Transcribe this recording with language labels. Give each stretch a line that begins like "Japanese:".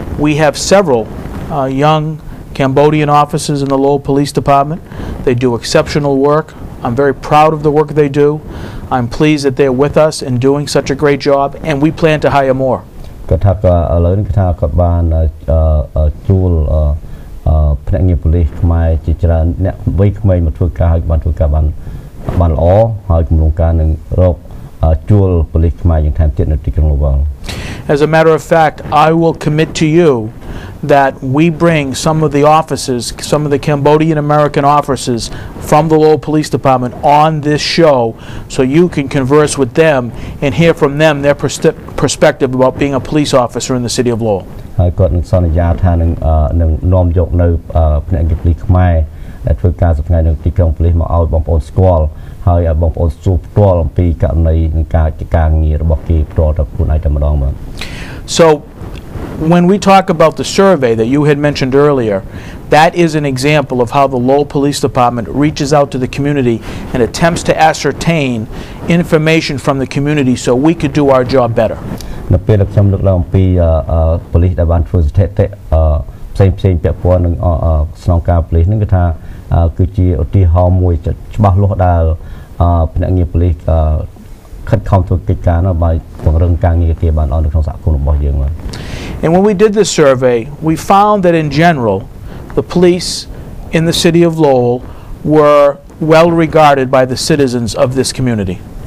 English: We have several young Cambodian officers in the Lowell Police Department. They do exceptional work. I'm very proud of the work they do. I'm pleased that they're with us and doing such a great job and we plan to hire more.
Khmer: គាត់ថាក៏ឥឡូវគាត់ថាក៏បានជួលភ្នាក់ងារប៉ូលីសខ្មែរជាច្រើនអ្នកវ័យក្មេងមកធ្វើការឲ្យបានធ្វើការបានបានល្អហើយគម្រោងការនឹងរកជួលប៉ូលីសខ្មែរយ៉ាងថែមទៀតនៅទីក្រុងលវ៉ាល់
English: As a matter of fact, I will commit to you that we bring some of the officers, some of the Cambodian American officers from the Lowell Police Department on this show so you can converse with them and hear from them their perspective about being a police officer in the city of Lowell.
Khmer: ហើយគាត់នឹងសន្យាថានឹងនាំយកនៅភ្នាក់ងារប៉ូលីសខ្មែរដែលធ្វើការសប្ដាហ៍នៅទីក្រុងប៉ូលីសមកឲ្យបងប្អូនស្គាល់ហើយឲ្យបងប្អូនសួរផ្ទាល់អំពីករណីនៃការងាររបស់គេផ្ទាល់ទៅខ្លួនឯងតែម្ដងបាទ
English: So when we talk about the survey that you had mentioned earlier, that is an example of how the Lowell Police Department reaches out to the community and attempts to ascertain information from the community so we could do our job better.
Khmer: នៅពេលខ្ញុំលើកឡើងអំពីប៉ូលីសដែលបានធ្វើស្ថិតិផ្សេងផ្សេងពាក់ព័ន្ធនឹងស្នងការប៉ូលីសនឹងគឺថាគឺជាឧទាហរណ៍មួយច្បាស់លាស់ដែលភ្នាក់ងារប៉ូលីសខិតខំធ្វើកិច្ចការនៅបាយពង្រឹងការងារគេបានអស់នៅក្នុងសហគមន៍របស់យើងបាទ
English: And when we did this survey, we found that in general, the police in the city of Lowell were well regarded by the citizens of this community.